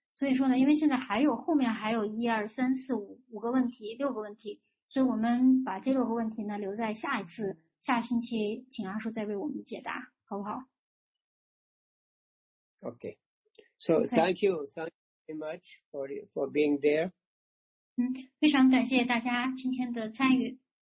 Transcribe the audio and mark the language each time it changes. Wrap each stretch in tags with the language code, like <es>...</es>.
<zh>所以说呢，因为现在还有后面还有一二三四五个问题，六个问题，所以我们把这六个问题呢留在下一次，下星期请阿叔再为我们解答，好不好</zh> <en>？Okay, so thank you very much for being there.</en> <zh>嗯，非常感谢大家今天的参与。</zh>